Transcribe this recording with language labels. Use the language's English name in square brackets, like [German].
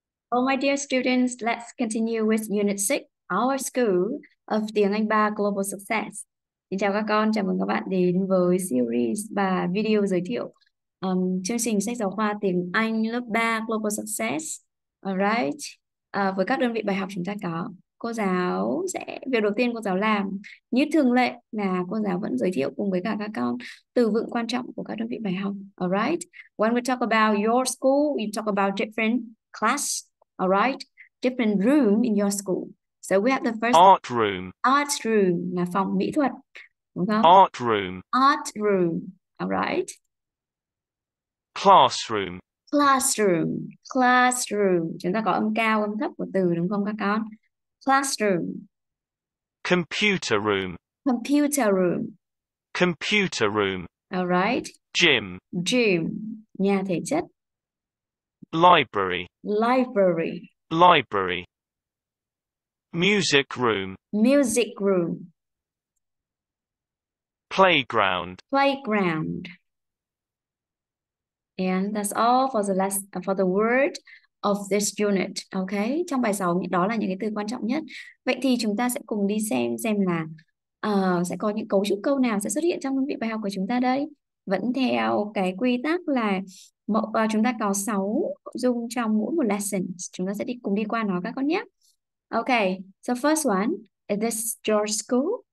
[English] Well, my dear students, let's continue with Unit 6, our school of Tiếng Anh 3 Global Success. [Vietnamese] Xin chào các con, chào mừng các bạn đến với series và video giới thiệu chương trình sách giáo khoa Tiếng Anh lớp 3 Global Success. Alright, với các đơn vị bài học chúng ta có, cô giáo sẽ, việc đầu tiên cô giáo làm, như thường lệ là cô giáo vẫn giới thiệu cùng với cả các con từ vựng quan trọng của các đơn vị bài học. [English] Alright, when we talk about your school, we talk about different class, all right? Different room in your school. So we have the first art room. [Vietnamese] Art room là phòng mỹ thuật, đúng không? [English] Art room. Art room, all right? Classroom. Classroom, classroom. [Vietnamese] Chúng ta có âm cao, âm thấp của từ đúng không các con? [English] Classroom. Computer room. Computer room. Computer room. All right? Gym. [Vietnamese] Gym, nhà thể chất. [English] Library. Library. Library. Music room. Music room. Playground. Playground. And that's all for the last for the word of this unit. [Vietnamese] Okay, trong bài 6 đó là những cái từ quan trọng nhất. Vậy thì chúng ta sẽ cùng đi xem là sẽ có những cấu trúc câu nào sẽ xuất hiện trong đơn vị bài học của chúng ta đây. Vẫn theo cái quy tắc là chúng ta có 6 nội dung trong mỗi một lesson. Chúng ta sẽ cùng đi qua nó các con nhé. [English] Okay, so first one, is this your school?